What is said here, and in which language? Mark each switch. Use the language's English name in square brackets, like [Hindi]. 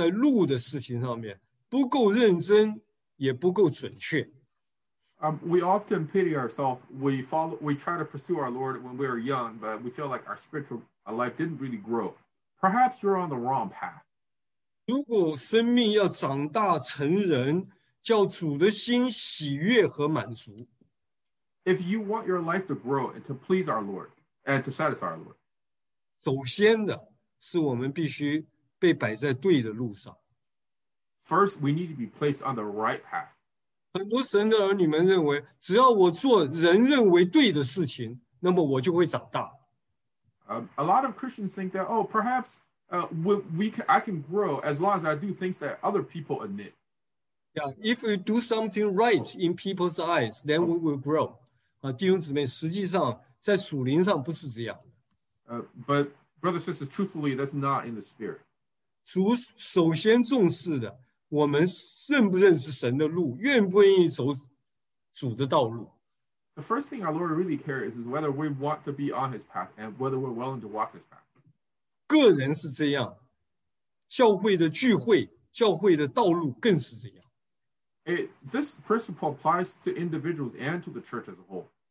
[Chinese] 我们叹息啊，我们从年幼开始追求主，到今天属灵生亮了，没有太多的长进，很可能是因为我们在路的事情上面不够认真。也不够准确。 [English] We often pity ourselves. We follow. We try to pursue our Lord when we are young, but we feel like our spiritual life didn't really grow. Perhaps you're on the wrong path. [Chinese] 如果生命要长大成人，叫主的心喜悦和满足。 [English] If you want your life to grow and to please our Lord and to satisfy our Lord, [Chinese] 首先的是我们必须被摆在对的路上。 [English] First, we need to be placed on the right path. [Chinese] 很多神的儿女们认为, 只要我做人认为对的事情, 那么我就会长大。 [English] A lot of Christians think that, oh, perhaps I can grow as long as I do things that other people admit. Yeah, if we do something right in people's eyes, then we will grow. [Chinese] 弟兄姊妹, 实际上, 在属灵上不是这样的。 [English] But, brothers and sisters, truthfully, that's not in the spirit. [Chinese] 主首先重视的, 我们认不认识神的路，愿不愿意走主的道路。 [English] The first thing our Lord really cares is whether we want to be on his path and whether we're willing to walk his path. [Chinese] 个人是这样，教会的聚会，教会的道路更是这样。 [English] This principle applies to individuals and to the church as a whole.